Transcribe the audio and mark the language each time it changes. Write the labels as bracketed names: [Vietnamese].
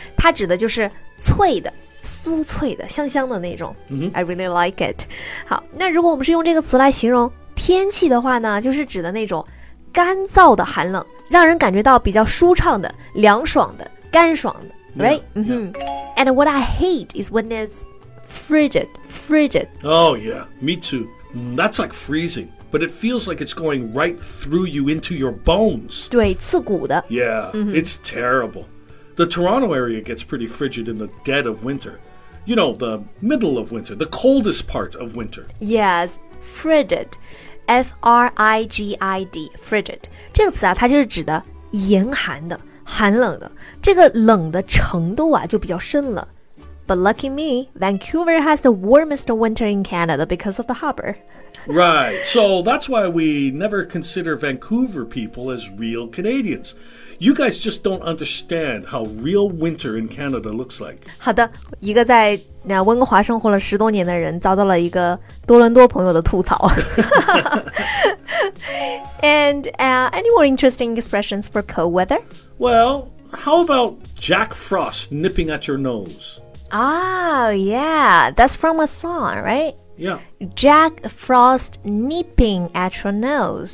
[Chinese] 它指的就是脆的、酥脆的、香香的那种。 Mm-hmm. [English] I really like it. [Chinese] 好，那如果我们是用这个词来形容天气的话呢，就是指的那种干燥的寒冷，让人感觉到比较舒畅的、凉爽的、干爽的。 [English] Right? Yeah, mm-hmm. yeah. And what I hate is when it's frigid, frigid. Oh, yeah, me too. That's like freezing, but it feels like it's going right through you into your bones. [Chinese] 对，刺骨的。 [English] Yeah,、mm-hmm. it's terrible. The Toronto area gets pretty frigid in the dead of winter. You know, the middle of winter, the coldest part of winter. Yes, frigid. F-R-I-G-I-D, frigid. [Chinese] 这个词啊，它就是指的严寒的。寒冷的，这个冷的程度啊就比较深了。 [English] But lucky me, Vancouver has the warmest winter in Canada because of the harbor. Right. So that's why we never consider Vancouver people as real Canadians. You guys just don't understand how real winter in Canada looks like. [Chinese] 好的，一个在温哥华生活了十多年的人遭到了一个多伦多朋友的吐槽。 [English] And any more interesting expressions for cold weather? Well, how about Jack Frost nipping at your nose? Oh, yeah. That's from a song, right? Yeah. Jack Frost nipping at your nose.